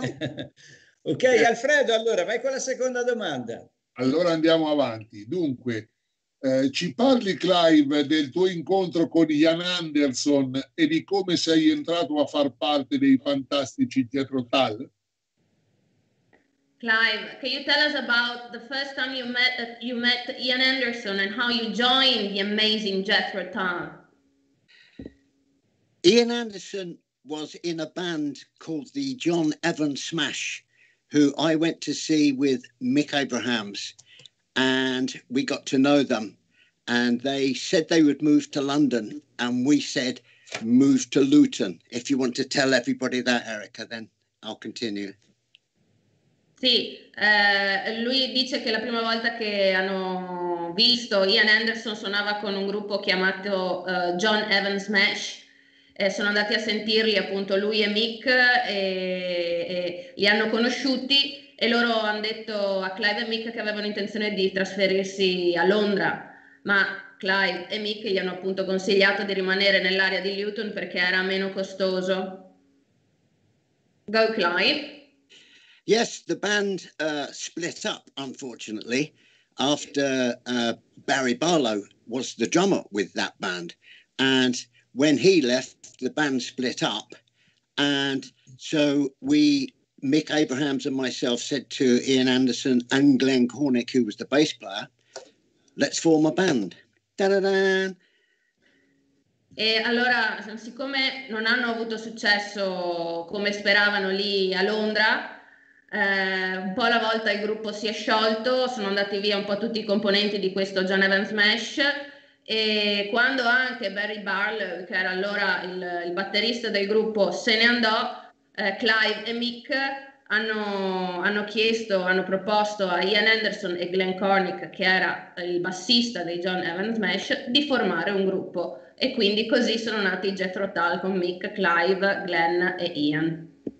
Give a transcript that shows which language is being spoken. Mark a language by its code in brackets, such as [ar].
[it] Ok, Alfredo, allora vai con la seconda domanda. Allora andiamo avanti. Dunque, ci parli, Clive, del tuo incontro con Ian Anderson e di come sei entrato a far parte dei fantastici Jethro Tull? [en] Clive, can you tell us about the first time you met Ian Anderson and how you joined the amazing Jethro Tull? Ian Anderson was in a band called the John Evans Smash, who I went to see with Mick Abrahams, and we got to know them, and they said they would move to London, and we said, move to Luton. If you want to tell everybody that, Erica, then I'll continue. [it] Sì, lui dice che la prima volta che hanno visto Ian Anderson suonava con un gruppo chiamato John Evans Smash, sono andati a sentirli appunto lui e Mick e li hanno conosciuti e loro hanno detto a Clive e Mick che avevano intenzione di trasferirsi a Londra, ma Clive e Mick gli hanno appunto consigliato di rimanere nell'area di Luton perché era meno costoso. [en] Go Clive! Yes, the band split up, unfortunately, after Barry Barlow was the drummer with that band. And when he left, the band split up. And so we, Mick Abrahams and myself, said to Ian Anderson and Glenn Cornick, who was the bass player, let's form a band. Da-da-da! [it] E allora, siccome non hanno avuto successo come speravano lì a Londra, un po' alla volta il gruppo si è sciolto, sono andati via un po' tutti i componenti di questo John Evans Smash e quando anche Barry Barlow, che era allora il batterista del gruppo, se ne andò, Clive e Mick hanno proposto a Ian Anderson e Glenn Cornick, che era il bassista dei John Evans Smash, di formare un gruppo e quindi così sono nati Jethro Tull con Mick, Clive, Glenn e Ian.